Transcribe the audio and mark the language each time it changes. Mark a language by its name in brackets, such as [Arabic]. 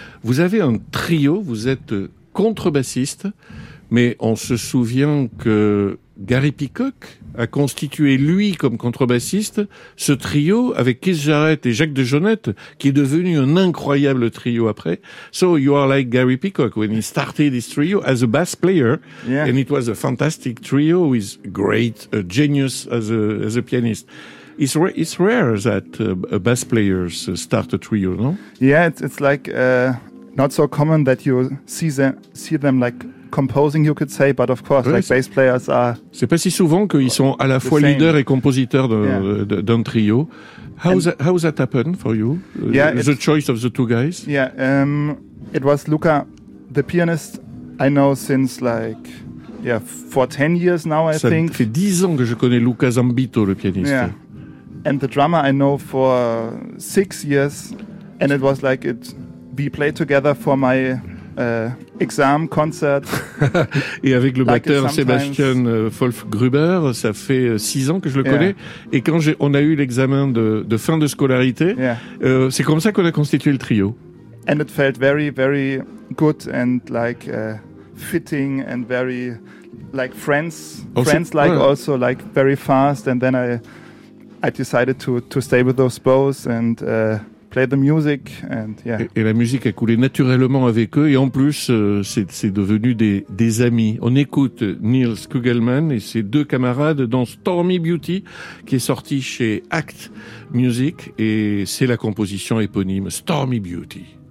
[French] Vous avez un trio, vous êtes contrebassiste, mais on se souvient que Gary Peacock a constitué lui comme contrebassiste ce trio avec Keith Jarrett et Jacques Dejonette, qui est devenu un incroyable trio après. [English] So you are like Gary Peacock when he started his trio as a bass player, yeah. And it was a fantastic trio with great genius as a pianist. It's rare that bass players start a trio, no? Yeah, it's like not so common that you see them like composing, you could say, but of course, like bass players are. [French] C'est pas si souvent qu'ils sont à la fois leader et compositeur d'un trio. [English] How's that happen for you? The choice of the two guys. Yeah, it was Luca, the pianist I know since like for 10 years now. [French] Ça fait 10 ans que je connais Luca Zambito, le pianiste. [English] Yeah, and the drummer I know for 6 years, and it was like we played together for my exam concert. [French] Et avec le batteur Sébastien Wolfgruber, ça fait 6 ans que je le connais. [English] Yeah. [French] Et quand on a eu l'examen de fin de scolarité, c'est comme ça qu'on a constitué le trio. [English] And it felt very, very good and like fitting and very like friends-like also like very fast. And then I decided to stay with those both and play the music and [French] Et la musique a coulé naturellement avec eux et en plus c'est devenu des amis. On écoute Nils Kugelmann et ses deux camarades dans Stormy Beauty qui est sorti chez ACT Music et c'est la composition éponyme Stormy Beauty.